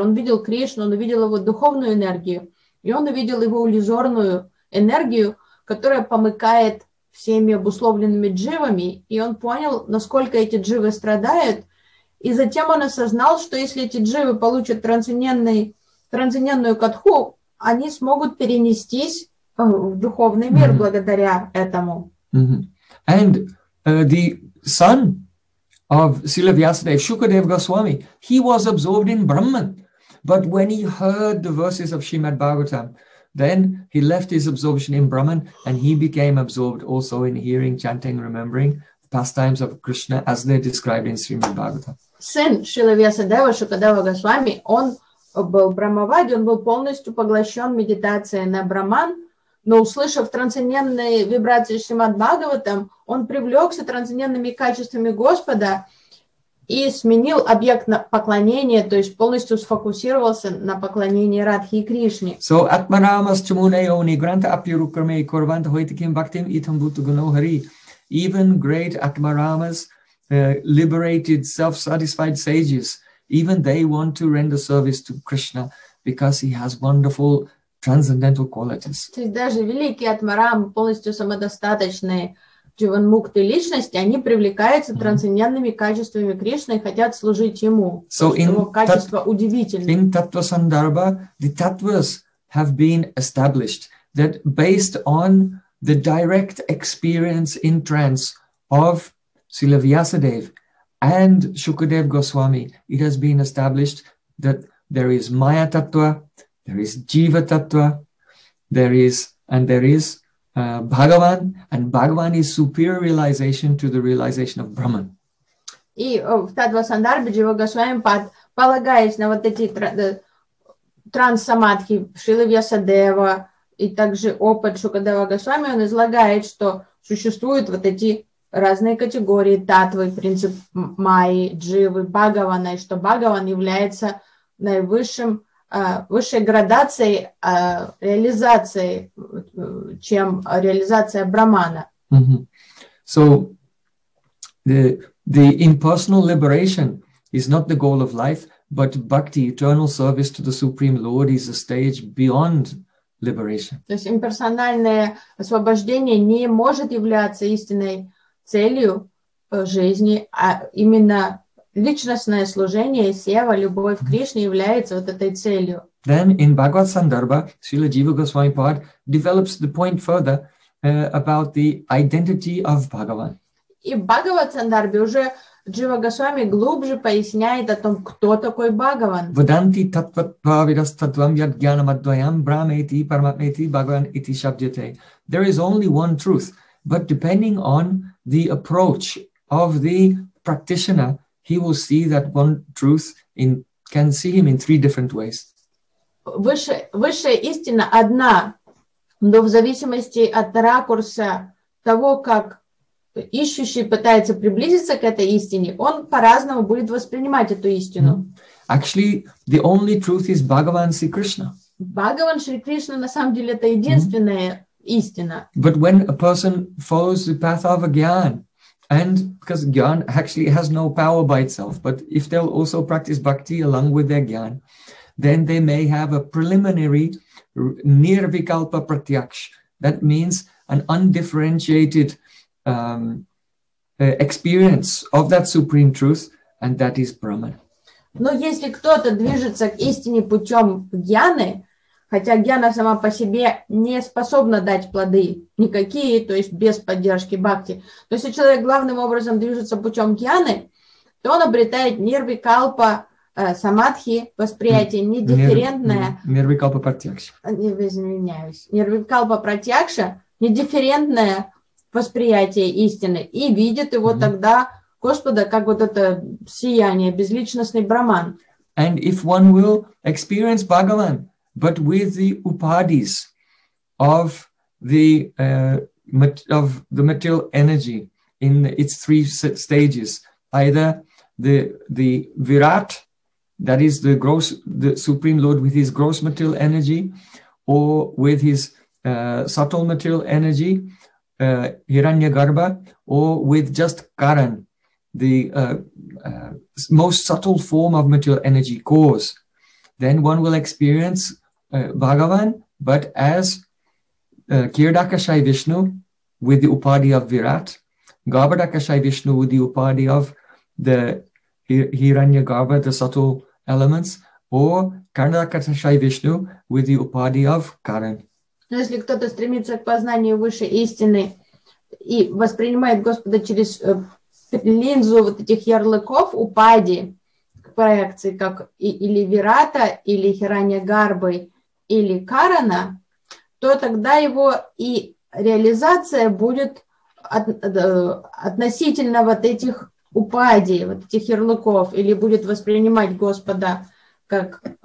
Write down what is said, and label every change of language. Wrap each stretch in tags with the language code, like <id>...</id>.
<ru>Он видел Кришну, он увидел его духовную энергию. И он увидел его иллюзорную энергию, которая помыкает всеми обусловленными дживами. И он понял, насколько эти дживы страдают. И затем он осознал, что если эти дживы получат трансцендентную катху, они смогут перенестись в духовный мир благодаря этому.</ru> <en>And the son of Srila Vyasadeva, Shukadeva Goswami, he was absorbed in Brahman. But when he heard the verses of Srimad Bhagavatam, then he left his absorption in Brahman and he became absorbed also in hearing, chanting, remembering the pastimes of Krishna as they're described in Srimad Bhagavatam.</en> <ru>Сын Шрила Вьясадева, Шукадева Госвами, он был брахмаваде, он был полностью поглощен медитацией на Брахман. Но услышав трансцендентные вибрации Шримад Бхагаватам, он привлекся трансцендентными качествами Господа и сменил объект поклонения, то есть полностью сфокусировался на поклонении Радхи и Кришне.</ru> <sa>So, Atmaramas Chumunayo Nigranta Apyurukarme Korvanta Hoitikim Bhaktim Itam Bhutu Guno Hari.</sa> <en>Even great Atmaramas, liberated, self-satisfied sages, even they want to render service to Krishna because he has wonderful transcendental qualities.</en> <ru>То есть даже великие атмарамы, полностью самодостаточные дживанмукты личности, они привлекаются трансцендентными качествами Кришны и хотят служить ему.</ru> <en>So</en> <ru>его качества удивительны.</ru> <en>In tattva sandarbha, the tattvas have been established that based on the direct experience in trance of Srila Vyasadeva and Shukadeva Goswami, it has been established that there is maya tattva, there is Jiva Tattva, there is Bhagavan, and Bhagavan is superior realization to the realization of Brahman.</en> <ru>И в Таттва Сандарбе Джива Госвами, полагаясь на вот эти транс-самадхи Шрилы Вьясадева и также опыт Шукадева Госвами, он излагает, что существуют вот эти разные категории таттвы, принцип Майи, Дживы, Бхагавана, и что Бхагаван является наивысшим, высшей градацией реализации, чем реализация Брахмана.</ru> <en>So, the impersonal liberation is not the goal of life, but bhakti, eternal service to the Supreme Lord, is a stage beyond liberation.</en> <ru>То есть имперсональное освобождение не может являться истинной целью жизни, а именно личностное служение, сева, любовь к Кришне является вот этой целью.</ru> <en>Then in Bhagavad Sandarbha, Srila Jiva Goswami Pad develops the point further about the identity of Bhagavan.</en> <ru>И в Бхагавад Сандарбе уже Джива Госвами глубже поясняет о том, кто такой Бхагаван.</ru> <sa>Vedanti tattva pravidas tattvam yad jnanam advayam brahmeti paramatmeti bhagavan iti shabdyate.</sa> <en>There is only one truth, but depending on the approach of the practitioner, he will see that one truth in can see him in three different ways.</en> <ru>Высшая истина одна, но в зависимости от ракурса того, как ищущий пытается приблизиться к этой истине, он по-разному будет воспринимать эту истину.</ru> <en>Actually, the only truth is Bhagavan Sri Krishna.</en> <ru>Bhagavan Sri Krishna на самом деле это единственная истина.</ru> <en>But when a person follows the path of a jnana, And because Gyan actually has no power by itself, but if they'll also practice bhakti along with their Gyan, then they may have a preliminary nirvikalpa pratyaksh. That means an undifferentiated experience of that supreme truth, and that is Brahman.</en> <ru>Но если кто-то движется к истине путем гьяны, хотя гьяна сама по себе не способна дать плоды никакие, то есть без поддержки бхакти, то если человек главным образом движется путем гьяны, то он обретает нирвикалпа самадхи, восприятие недифферентное. Нирвикалпа пратьякша. Извиняюсь. Нирвикалпа пратьякша, недифферентное восприятие истины. И видит его тогда Господа, как вот это сияние, безличностный Брахман.</ru> <en>And if one will experience Bhagavan, but with the upadis of the material energy in its three stages, either the Virat, that is the gross, the Supreme Lord with his gross material energy, or with his subtle material energy, Hiranyagarbha, or with just Karan, the most subtle form of material energy, cause, then one will experience Bhagavan, but as Kirdakashai Vishnu with the upadi of Virat, Garbhadakashai Vishnu with the upadi of the Hiranyagarbha, the subtle elements, or Karnakashai Vishnu with the upadi of Karan.</en> <ru>Если кто-то стремится к познанию высшей истины и воспринимает Господа через линзу вот этих ярлыков упади к проекции, как или Вирата, или Хираньягарбы, или Карана, то тогда его и реализация будет относительно вот этих упади, вот этих ярлыков, или будет воспринимать Господа как</ru>